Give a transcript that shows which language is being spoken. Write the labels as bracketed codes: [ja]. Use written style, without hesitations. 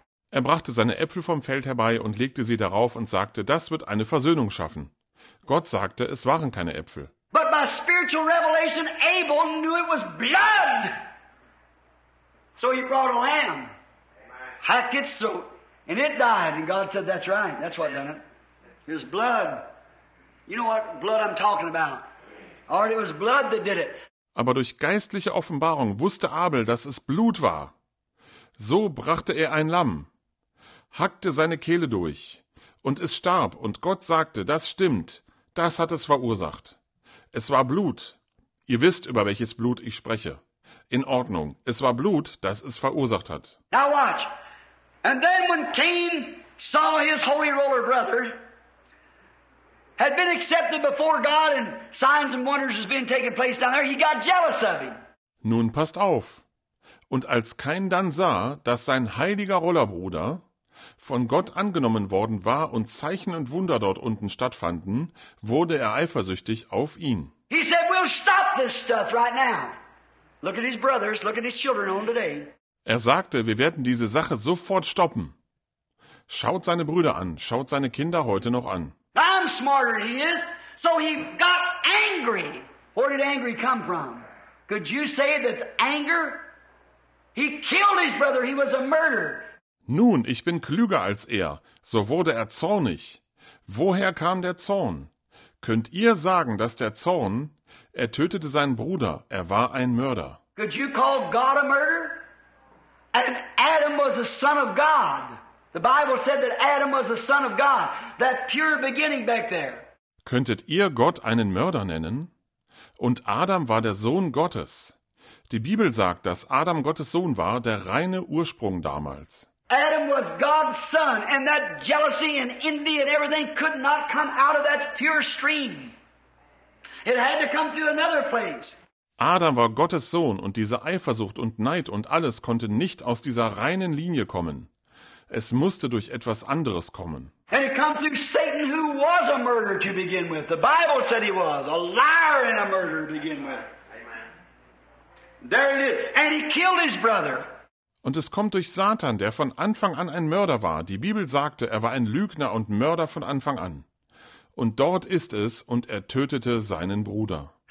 [de] Er brachte seine Äpfel vom Feld herbei und legte sie darauf und sagte, das wird eine Versöhnung schaffen. Gott sagte, es waren keine Äpfel. [en] But by spiritual revelation, Abel knew it was blood. So he brought a lamb. Hacked its throat. And it died. And God said, that's right. That's what done it. It was blood. You know what blood I'm talking about. Or it was blood that did it. [de] Aber durch geistliche Offenbarung wusste Abel, dass es Blut war. So brachte er ein Lamm, hackte seine Kehle durch und es starb. Und Gott sagte, das stimmt, das hat es verursacht. Es war Blut. Ihr wisst, über welches Blut ich spreche. In Ordnung, es war Blut, das es verursacht hat. [en] Now watch. And then when Cain saw his holy roller brother had been accepted before God and signs and wonders has been taking place down there, he got jealous of him. [de] Nun passt auf. Und als Kain dann sah, dass sein heiliger Rollerbruder von Gott angenommen worden war und Zeichen und Wunder dort unten stattfanden, wurde er eifersüchtig auf ihn. [en] He said, we'll stop this stuff right now. Look at his brothers, look at his children on today. [de] Er sagte, wir werden diese Sache sofort stoppen. Schaut seine Brüder an, schaut seine Kinder heute noch an. [en] I'm smarter than he is. So he got angry. Where did angry come from? Could you say that anger? He killed his brother, he was a murderer. [de] Nun, ich bin klüger als er. So wurde er zornig. Woher kam der Zorn? Könnt ihr sagen, dass der Zorn, er tötete seinen Bruder, er war ein Mörder. [en] Could you call God a murderer? And Adam was the son of God. The Bible said that Adam was the son of God. That pure beginning back there. [de] Könntet ihr Gott einen Mörder nennen? Und Adam war der Sohn Gottes. Die Bibel sagt, dass Adam Gottes Sohn war, der reine Ursprung damals. [en] Adam was God's son, and that jealousy and envy and everything could not come out of that pure stream. It had to come through another place. [de] Adam war Gottes Sohn und diese Eifersucht und Neid und alles konnte nicht aus dieser reinen Linie kommen. Es musste durch etwas anderes kommen. [en] And it comes through Satan, who was a murderer to begin with. The Bible said he was a liar and a murderer to begin with. Amen. There it is. And he killed his brother. [de] Und es kommt durch Satan, der von Anfang an ein Mörder war. Die Bibel sagte, er war ein Lügner und Mörder von Anfang an. Und dort ist es, und er tötete seinen Bruder.